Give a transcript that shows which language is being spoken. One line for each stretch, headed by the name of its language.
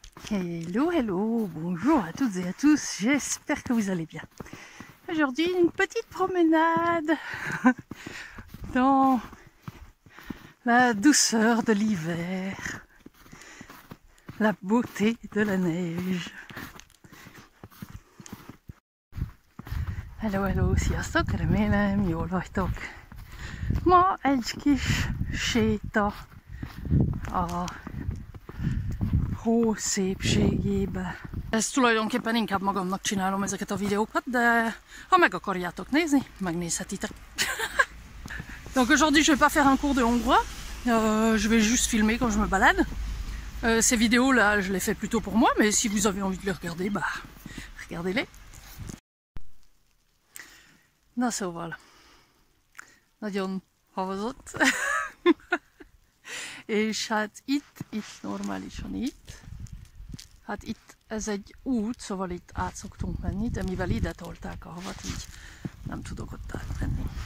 French: Hello, hello, bonjour à toutes et à tous, j'espère que vous allez bien. Aujourd'hui, une petite promenade dans la douceur de l'hiver, la beauté de la neige.
Hungarian: Hello, hello, sziasztok, remélem, jól vagytok. Ma egy kis séta a hó szépségébe. Ezt tulajdonképpen inkább magamnak csinálom ezeket a videókat, de ha meg akarjátok nézni, megnézhetitek.
French: Donc aujourd'hui je vais pas faire un cours de hongrois, je vais juste filmer quand je me balade. Ces vidéos là je les fais plutôt pour moi, mais si vous avez envie de les regarder, bah regardez-les.
Hungarian: Na szóval, nagyon havazott. És hát itt normálisan itt. Hát itt ez egy út, szóval itt át szoktunk menni, de mivel ide tolták a havat, így nem tudok ott átmenni.